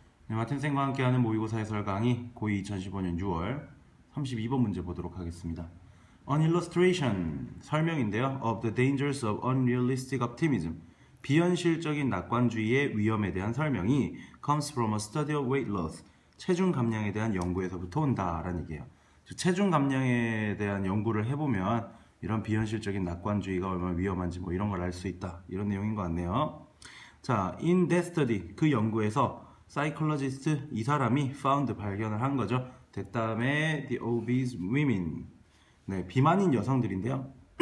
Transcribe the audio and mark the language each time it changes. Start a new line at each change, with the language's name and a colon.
Korean: 네, 마팀쌤과 함께하는 모의고사 해설 강의 고2 2015년 6월 32번 문제 보도록 하겠습니다.
English: An illustration,
Korean: 설명인데요.
English: Of the dangers of unrealistic optimism,
Korean: 비현실적인 낙관주의의 위험에 대한 설명이
English: comes from a study of weight loss,
Korean: 체중 감량에 대한 연구에서부터 온다라는 얘기예요. 즉, 체중 감량에 대한 연구를 해보면 이런 비현실적인 낙관주의가 얼마나 위험한지 뭐 이런 걸알수 있다. 이런 내용인 것 같네요. 자,
English: in that study,
Korean: 그 연구에서 사이클로지스트 이 사람이
English: found
Korean: 발견을 한 거죠. 됐다음에
English: the obese women,
Korean: 네, 비만인 여성들인데요.